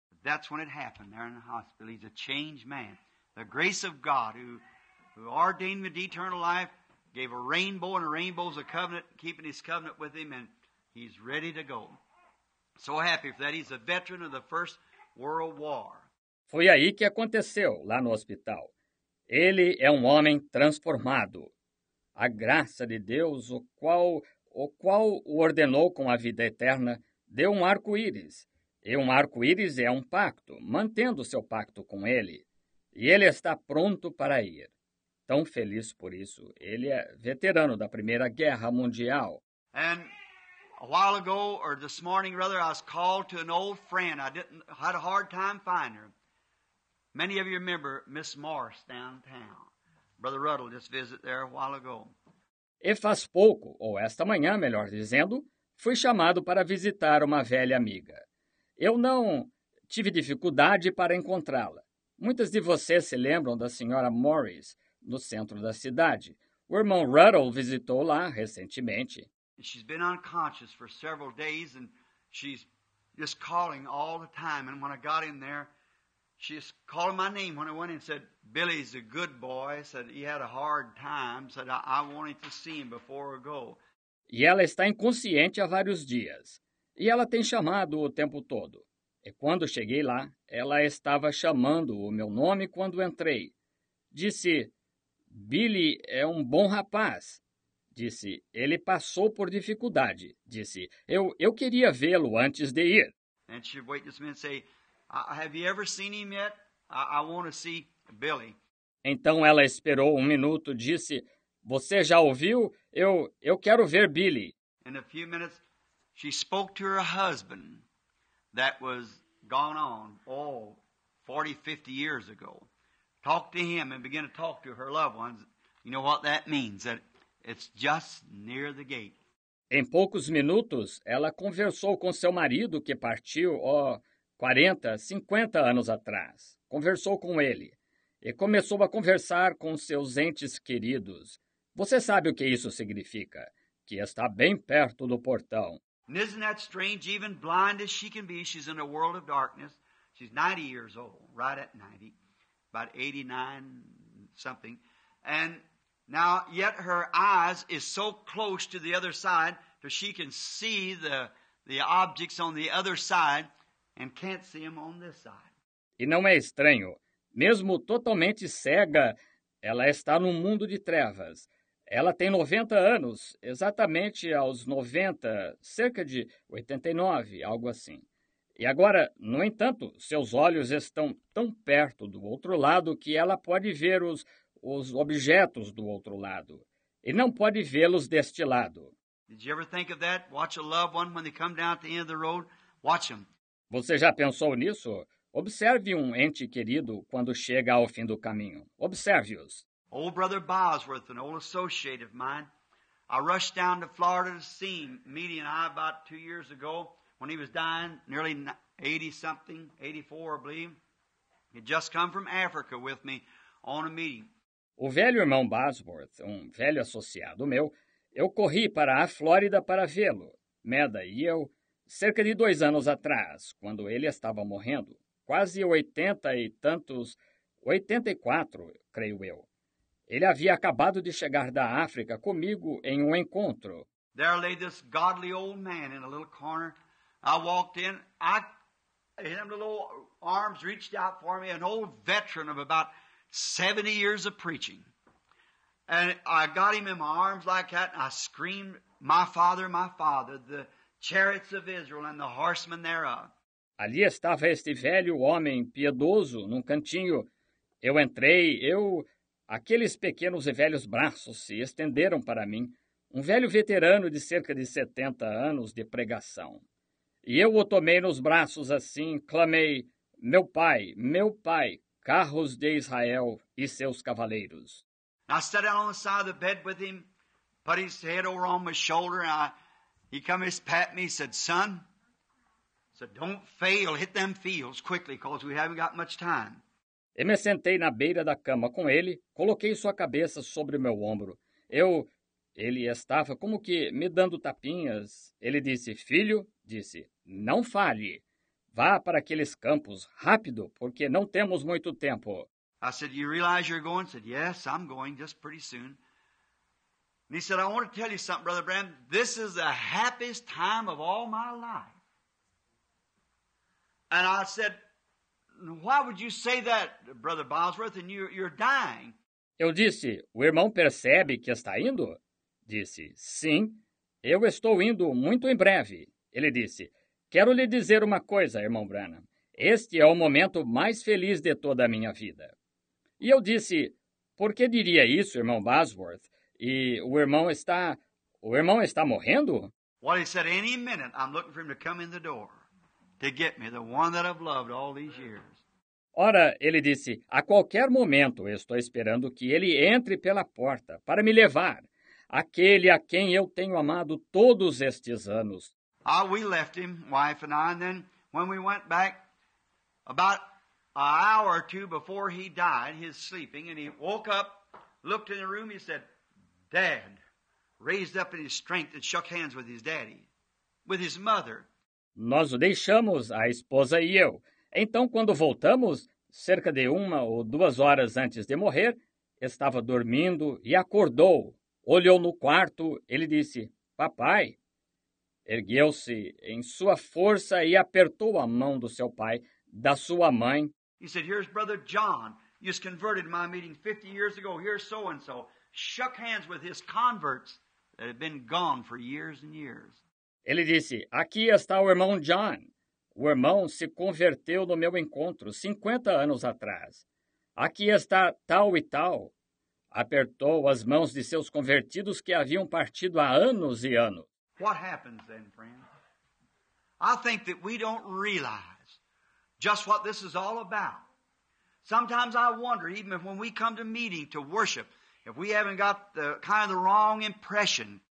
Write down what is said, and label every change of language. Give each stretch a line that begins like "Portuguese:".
English: That's when it happened there in the hospital. He's a changed man. The grace of God who ordained him to eternal life gave a rainbow, and a rainbow's a covenant, keeping his covenant with him, and he's ready to go. So happy for that. He's a veteran of the First World War.
Portuguese: Foi aí que aconteceu, lá no hospital. Ele é um homem transformado. A graça de Deus, o qual o ordenou com a vida eterna, deu um arco-íris. E um arco-íris é um pacto, mantendo seu pacto com ele. E ele está pronto para ir. Tão feliz por isso. Ele é veterano da Primeira Guerra Mundial.
English: And a while ago, or this morning rather, I was called to an old friend. I had a hard time finding her. Many of you remember Miss Morris downtown. Brother Ruddle just visited there a while ago.
Portuguese: E faz pouco, ou esta manhã, melhor dizendo, fui chamado para visitar uma velha amiga. Eu não tive dificuldade para encontrá-la. Muitas de vocês se lembram da senhora Morris, no centro da cidade. O irmão Ruddle visitou lá recentemente.
English: She's been unconscious for several days, and she's just calling all the time. And when I got in there, she's calling my name when I went in and said, Billy's a good boy, said he had a hard time, said I wanted to see him before I go.
Portuguese: E ela está inconsciente há vários dias. E ela tem chamado o tempo todo. E quando cheguei lá, ela estava chamando o meu nome quando entrei. Disse, Billy é um bom rapaz. Disse, ele passou por dificuldade. Disse, eu queria vê-lo antes de ir.
English: And she'd wait just a minute and say, have you ever seen him yet? I want to see Billy.
Portuguese: Então ela esperou um minuto, disse, você já ouviu? Eu quero ver Billy.
English: In a few minutes, she spoke to her husband that was gone on, 40, 50 years ago. Talked to him and began to talk to her loved ones. You know what that means, that it's just near the gate.
Portuguese: Em poucos minutos, ela conversou com seu marido que partiu, 40, 50 anos atrás. Conversou com ele e começou a conversar com seus entes queridos. Você sabe o que isso significa? Que está bem perto do portão.
English: Isn't that strange? Even blind as she can be, she's in a world of darkness. She's 90 years old, right at 90, about 89 something. And now, yet her eyes is so close to the other side that she can see the objects on the other side and can't see them on this side.
Portuguese: E não é estranho. Mesmo totalmente cega, ela está num mundo de trevas. Ela tem 90 anos, exatamente aos 90, cerca de 89, algo assim. E agora, no entanto, seus olhos estão tão perto do outro lado que ela pode ver os objetos do outro lado. E não pode vê-los deste lado.
English: Did you ever think of that? Watch a loved one when they come down at the end of the road. Watch them.
Portuguese: Você já pensou nisso? Observe um ente querido quando chega ao fim do caminho. Observe-os.
English: Old Brother Bosworth, an old associate of mine, I rushed down to Florida to see him, Meadie and I, about 2 years ago when he was dying, nearly 80-something, 84, I believe. He had just come from Africa with me on a meeting.
Portuguese: O velho irmão Bosworth, um velho associado meu, eu corri para a Flórida para vê-lo, Meda e eu, cerca de 2 anos atrás, quando ele estava morrendo, quase 80 e tantos, 84, creio eu. Ele havia acabado de chegar da África comigo em um encontro.
English: There lay this godly old man in a little corner. I walked in, his little arms reached out for me, an old veteran of about 70 years of preaching. And I got him in my arms like that, and I screamed, my father, the chariots of Israel and the horsemen thereof.
Portuguese: Ali estava este velho homem piedoso num cantinho. Eu entrei, aqueles pequenos e velhos braços se estenderam para mim, um velho veterano de cerca de 70 anos de pregação. E eu o tomei nos braços assim, clamei, meu pai, carros de Israel e seus cavaleiros.
English: I sat down on the side of the bed with him, put his head over on my shoulder, and he come and pat me, said, son, said, don't fail, hit them fields quickly, because we haven't got much time.
Portuguese: Eu me sentei na beira da cama com ele, coloquei sua cabeça sobre meu ombro. Ele estava como que me dando tapinhas. Ele disse, filho, disse, não fale. Vá para aqueles campos, rápido, porque não temos muito tempo.
English: I said, you realize you're going? I said, yes, I'm going, just pretty soon. And he said, I want to tell you something, Brother Branham. This is the happiest time of all my life. And I said, why would you say that, Brother Bosworth, and you're dying?
Portuguese: Eu disse, o irmão percebe que está indo? Disse, sim, eu estou indo muito em breve. Ele disse, quero lhe dizer uma coisa, irmão Branham. Este é o momento mais feliz de toda a minha vida. E eu disse, por que diria isso, irmão Bosworth? E o irmão está morrendo?
English: Well, he said, any minute I'm looking for him to come in the door. To get me, the one that I've loved all these years.
Portuguese: Ora, ele disse, a qualquer momento estou esperando que ele entre pela porta para me levar, aquele a quem eu tenho amado todos estes anos.
English: We left him, wife and I, and then when we went back, about an hour or two before he died, he's sleeping, and he woke up, looked in the room, he said, Dad, raised up in his strength and shook hands with his daddy, with his mother.
Portuguese: Nós o deixamos, a esposa e eu. Então, quando voltamos, cerca de 1 ou 2 horas antes de morrer, estava dormindo e acordou. Olhou no quarto, ele disse, papai. Ergueu-se em sua força e apertou a mão do seu pai, da sua mãe.
English: He said, here's Brother John. He was converted to my meeting 50 years ago. Here's so-and-so. Shook hands with his converts that had been gone for years and years.
Portuguese: Ele disse, aqui está o irmão John. O irmão se converteu no meu encontro 50 anos atrás. Aqui está tal e tal. Apertou as mãos de seus convertidos que haviam partido há anos e anos.
English: What happens then, friend? I think that we don't realize just what this is all about. Sometimes I wonder, even when we come to meeting to worship, if we haven't got the kind of the wrong impression.